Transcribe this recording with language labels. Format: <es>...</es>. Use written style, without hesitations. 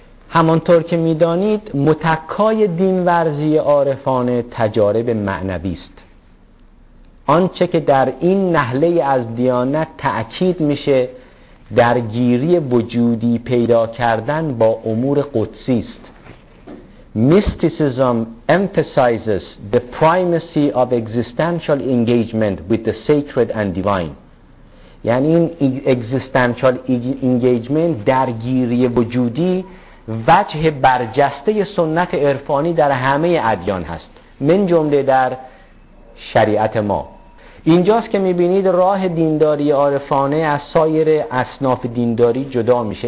<fa>همانطور که می‌دانید متکای دینورزی عارفان تجارب معنوی است. آنچه که در این نهله از دیانت تأکید میشه درگیری وجودی پیدا کردن با امور قدسی است.</fa> <en>Mysticism emphasizes the primacy of existential engagement with the sacred and divine.</en> <fa>یعنی این</fa> <en>existential engagement،</en> <fa>درگیری وجودی، وجه برجسته سنت عرفانی در همه ادیان هست، من جمله در شریعت ما. اینجاست که میبینید راه دینداری عارفانه از سایر اصناف دینداری جدا میشه.</fa>